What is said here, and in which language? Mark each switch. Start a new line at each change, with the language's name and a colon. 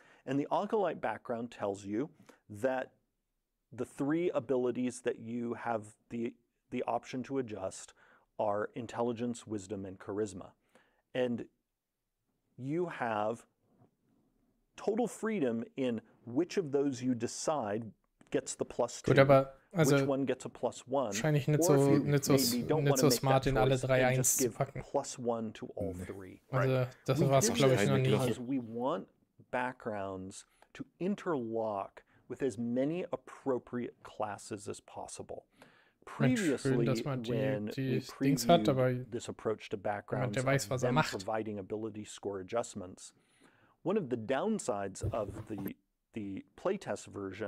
English: And the Acolyte background tells you that the three abilities that you have the option to adjust are intelligence, wisdom, and charisma. And you have total freedom in which of those you decide gets the +2,
German: gut, aber, also,
English: which one gets a +1.
German: Wahrscheinlich nicht so, nicht so, nicht so smart, in alle drei eins zu packen.
English: +1 to all three.
German: Also, das war es, glaube ich, noch nie.
English: Because we want backgrounds to interlock with as many appropriate classes as possible. Previously, this approach to backgrounds and providing ability score adjustments, one of the downsides of the playtest version